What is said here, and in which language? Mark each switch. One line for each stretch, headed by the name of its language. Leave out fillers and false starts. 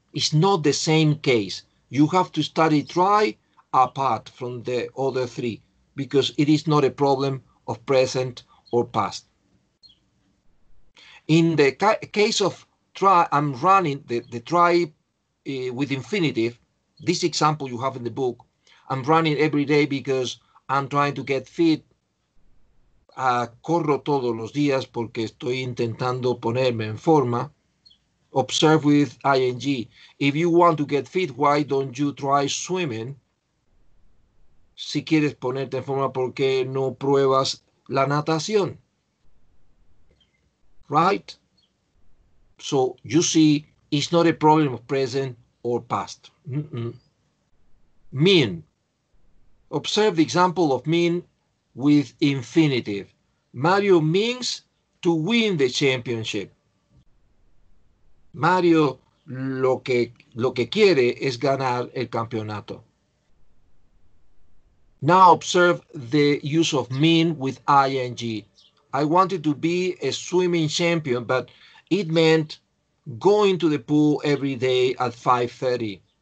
English: It's not the same case. You have to study try apart from the other three because it is not a problem of present or past. In the case of try, I'm running the try with infinitive. This example you have in the book, I'm running every day because I'm trying to get fit.
Spanish: Corro todos los días porque estoy intentando ponerme en forma.
English: Observe with ING. If you want to get fit, why don't you try swimming?
Spanish: Si quieres ponerte en forma, ¿por qué no pruebas la natación?
English: Right? So you see, it's not a problem of present or past. Mean. Observe the example of mean with infinitive. Mario means to win the championship.
Spanish: Mario lo que quiere es ganar el campeonato.
English: Now observe the use of mean with ing. I wanted to be a swimming champion, but it meant going to the pool every day at 5:30.